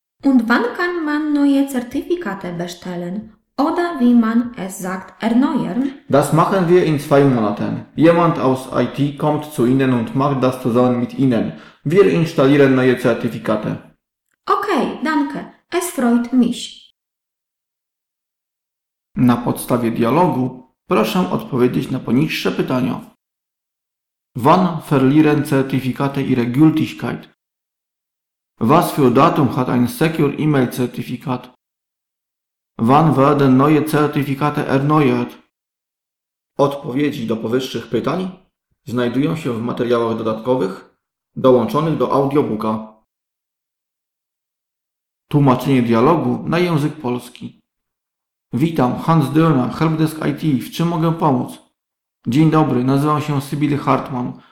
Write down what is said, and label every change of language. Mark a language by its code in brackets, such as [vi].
[de] Und wann kann man neue Zertifikate bestellen? Oder wie man es sagt, erneuern? Das machen wir in 2 Monaten. Jemand aus IT kommt zu Ihnen und macht das zusammen mit Ihnen. Wir installieren neue Zertifikate. Okay, danke. Es freut mich. [pl] Na podstawie dialogu proszę odpowiedzieć na poniższe pytania. [de] Wann verlieren Zertifikate ihre Gültigkeit? Was für Datum hat ein Secure-E-Mail-Zertifikat? Wann werden neue Zertifikate erneuert? [pl] Odpowiedzi do powyższych pytań znajdują się w materiałach dodatkowych dołączonych do audiobooka. Tłumaczenie dialogu na język polski. Witam, Hans Döner, Helpdesk IT. W czym mogę pomóc? Dzień dobry, nazywam się Sibylle Hartmann.